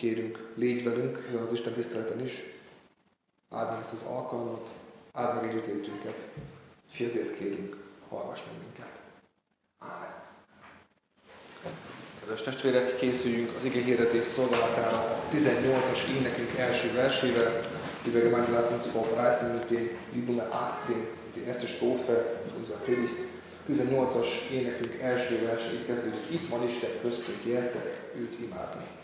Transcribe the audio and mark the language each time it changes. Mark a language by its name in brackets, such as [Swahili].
[Hungarian] kérünk, légy velünk ezen az Isten tiszteleten is. Áld meg ezt az alkalmat, áld meg együttlétünket. Fiadért kérünk, hallgass meg minket. Ámen. Kedves testvérek, készüljünk az ige hirdetés szolgálatára 18-as énekünk első versével. [German] Liebe Gemeinde, lasst uns vorbereiten mit dem Liedbummer 18, mit der erste Strophe unserer Predigt. [Hungarian] 18-as énekünk első verse, itt kezdődik, itt van Isten köztünk, gyertek őt imádni.